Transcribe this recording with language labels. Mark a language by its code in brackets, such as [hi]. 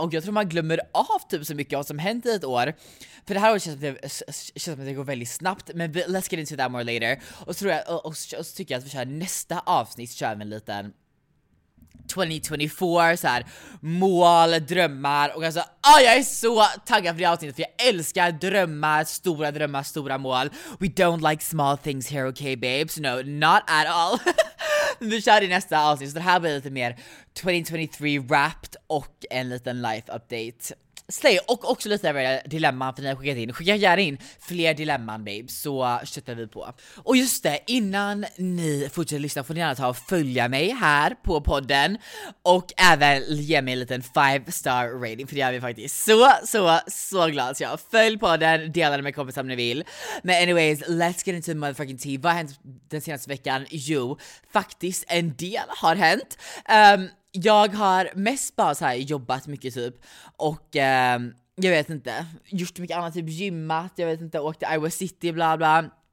[sv] Och jag tror man glömmer av typ så mycket av vad som hänt i ett år. För det här året känns som att det går väldigt snabbt. Men [en] let's get into that more later. [sv] Och så, tror jag, och så tycker jag att vi kör nästa avsnitt. Så kör vi en liten 2024, så här mål, drömmar. Och alltså, jag är så taggad för det avsnittet. För jag älskar drömmar, stora mål. [en] We don't like small things here, okay babes? No, not at all. [sv] Vi kör i nästa avsnitt, så det här blir lite mer 2023 wrapped och en liten life update. Slay, och också lite över dilemman, för ni har skickat in. Skicka gärna in fler dilemman, babe, så köttar vi på. Och just det, innan ni fortsätter lyssna får ni gärna ta och följa mig här på podden. Och även ge mig en liten 5-star rating, för det gör vi faktiskt så glad. Så jag följ podden, dela den med kompisar om ni vill. [en] Men anyways, let's get into the motherfucking tea. [sv] Vad har hänt den senaste veckan? Jo, faktiskt en del har hänt. Jag har mest bara så här jobbat mycket typ. Och jag vet inte, gjort mycket annat, typ gymmat. Jag vet inte, åkt till Iowa City, bla bla.